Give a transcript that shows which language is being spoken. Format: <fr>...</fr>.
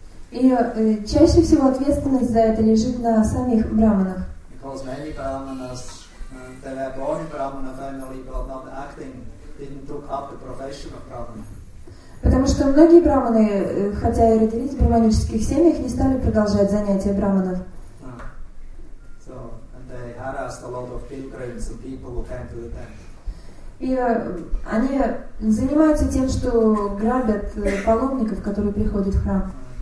<ru>И чаще всего ответственность за это лежит на самих брахманах.</ru> <en>Because many brahmanas, they were born in brahmana family, but not acting. Didn't took up the profession of brahmana.</en> <ru>Потому что многие брахманы, хотя и родились в брахманических семьях, не стали продолжать занятия брахманов.</ru> <en>So, and they harassed a lot of pilgrims and people who came to the temple.</en> <ru>И они занимаются тем, что грабят паломников, которые приходят в храм.</ru>